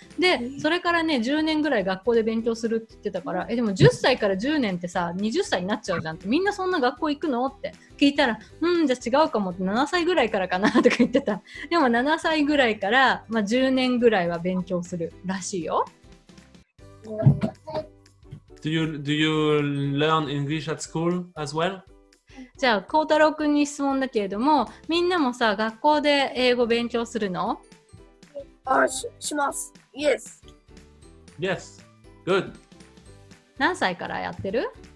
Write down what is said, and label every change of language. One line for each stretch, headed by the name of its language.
Japanese: でそれからね10年ぐらい学校で勉強するって言ってたから、でも10歳から10年ってさ20歳になっちゃうじゃんって、みんなそんな学校行くのって聞いたら、うん、じゃあ違うかもって7歳ぐらいからかなとか言ってた。でも7歳ぐらいから、まあ、10年ぐらいは勉強するらしいよ。
English: Do you learn English at school as well?
Japanese: じゃあ、コウタロウ君に質問だけれども、みんなもさ、学校で英語勉強するの？あ、します。Yes.
English: Yes. Good.
Japanese: 何歳からやってる？